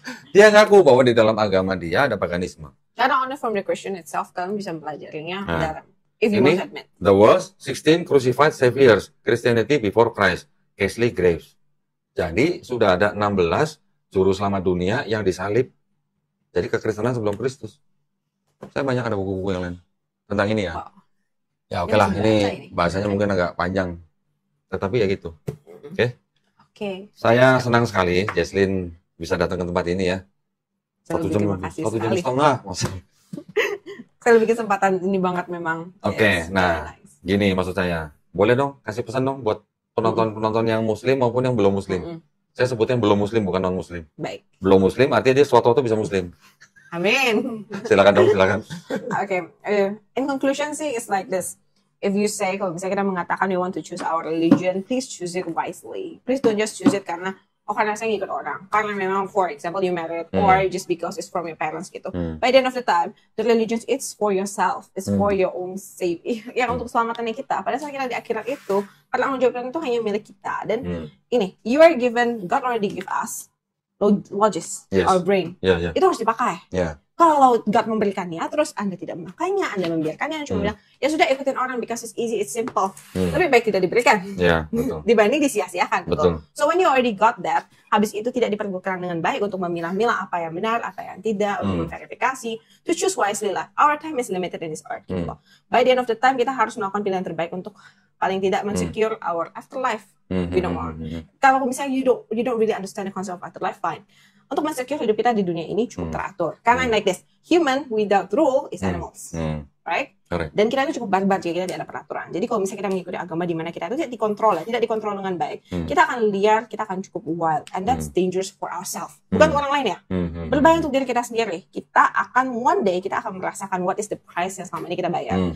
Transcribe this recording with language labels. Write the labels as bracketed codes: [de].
[id] Dia ngaku bahwa di dalam agama dia ada paganisme. Karena [en] only from the Christian itself, [id] kalian bisa mempelajarinya dalam. [en] If you [id] ini, [en] must admit. The world's 16 crucified saviors, Christianity before Christ, Casely Graves. [id] Jadi sudah ada 16 juru selamat dunia yang disalib. Jadi kekristenan sebelum Kristus. Saya banyak ada buku-buku yang lain tentang ini ya. Wow. Ya okelah, okay ini bahasanya mungkin agak panjang. Tetapi ya gitu. Oke. Okay. Oke. Okay. Saya senang sekali Jesslyn bisa datang ke tempat ini ya. Satu jam setengah. Saya lebih kesempatan ini banget memang. Oke, okay. Nah realize. Gini maksud saya. Boleh dong kasih pesan dong buat penonton-penonton yang muslim maupun yang belum muslim. Mm-hmm. Saya sebutnya belum muslim bukan non-muslim. Baik. Belum muslim artinya dia suatu waktu bisa muslim. Amin. Silakan dong, silakan. [en] Okay. In conclusion, see, it's like this. If you say, [id] kalau misalnya kita mengatakan [en] we want to choose our religion, please choose it wisely. Please don't just choose it [id] karena, oh karena saya ngikut orang. Karena memang, [en] for example, you married, or just because it's from your parents [id] gitu. [en] By the end of the time, the religion, it's for yourself. It's for your own safety. [id] Ya, untuk keselamatannya kita. Pada saat kita di akhirat itu, karena menjawabkan itu hanya milik kita. Dan ini, [en] you are given, God already give us logis, our brain, [id] itu harus dipakai. [en] Yeah. [id] Kalau God memberikannya, terus Anda tidak memakainya, Anda membiarkannya, cuma bilang, ya sudah ikutin orang, [en] because it's easy, it's simple. [id] Lebih baik tidak diberikan, dibanding disia-siakan. Betul. [en] So when you already got that, [id] habis itu tidak dipergunakan dengan baik untuk memilah-milah apa yang benar, apa yang tidak, untuk memverifikasi, [en] to choose wisely [id] lah. [en] Our time is limited in this earth. By the end of the time, [id] kita harus melakukan pilihan terbaik untuk paling tidak mensecure [en] our afterlife. You know more. [id] Kalau misalnya [en] you don't really understand the concept of afterlife, fine. [id] Untuk mensecure hidup kita di dunia ini cukup teratur. [en] Karena like this, human without rule is animals, right? Correct. [id] Dan kita itu cukup barbar jika kita tidak ada peraturan. Jadi kalau misalnya kita mengikuti agama di mana kita itu tidak dikontrol dengan baik, kita akan liar, kita akan cukup wild, [en] and that's dangerous for ourselves. [id] Bukan untuk orang lain ya. Berbahaya untuk diri kita sendiri. Kita akan [en] one day [id] kita akan merasakan [en] what is the price [id] yang selama ini kita bayar.